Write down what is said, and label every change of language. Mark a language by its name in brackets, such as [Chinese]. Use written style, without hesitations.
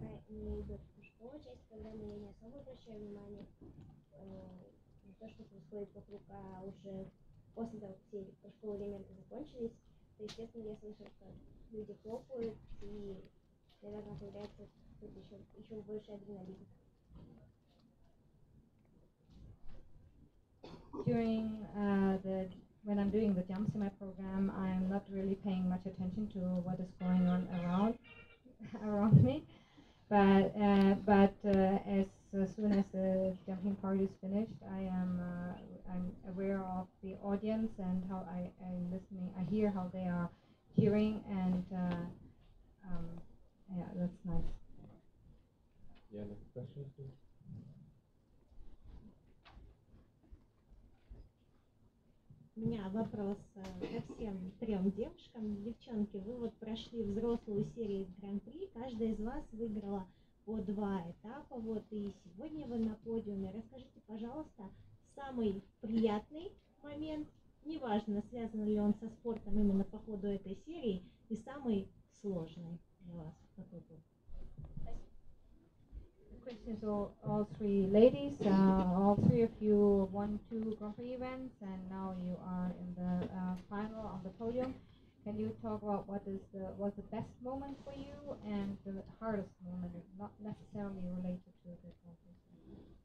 [Russian] Не идет в школу, часть программы я не особо обращаю внимание на то, что происходит вокруг, а уже после того, как все по школе элементы закончились, то, естественно, я слышу, что люди хлопают, и, наверное, появляется тут еще больше адреналина. [English] When I'm doing the jumps in my program, I'm not really paying much attention to what is going on around me. But as soon as the jumping party is finished, I'm aware of the audience and how I'm listening. I hear how they are hearing, and yeah, that's nice. Yeah, next question, please. [Russian] У меня вопрос ко всем трем девушкам. Девчонки, вы вот прошли взрослую серию Гран-при, каждая из вас выиграла по два этапа, вот, и сегодня вы на подиуме. Расскажите, пожалуйста, самый приятный момент Неважно, связан ли он со спортом именно по ходу этой серии, и самый сложный для вас такой был. [English] Questions all three ladies. All three of you won two Grand Prix events, and now you are in the final on the podium. Can you talk about what was the best moment for you and the hardest moment, not necessarily related to the Grand Prix?